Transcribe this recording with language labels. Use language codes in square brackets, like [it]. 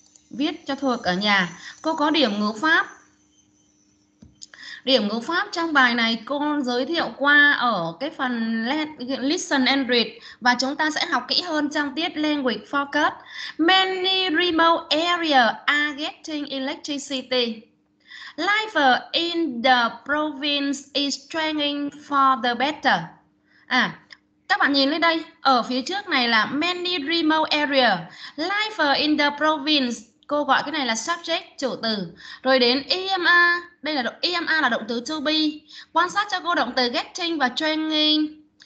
[vi] Viết cho thuộc ở nhà. Cô có điểm ngữ pháp. Điểm ngữ pháp trong bài này cô giới thiệu qua ở cái phần [en] listen and read [vi] và chúng ta sẽ học kỹ hơn trong tiết [en] language focus. Many remote areas are getting electricity. Life in the province is changing for the better. [vi] À, các bạn nhìn lên đây, ở phía trước này là [en] many remote area. Life in the province, [vi] cô gọi cái này là subject, chủ từ. Rồi đến EMA, đây là EMA là động từ [en] to be. [vi] Quan sát cho cô động từ getting và training.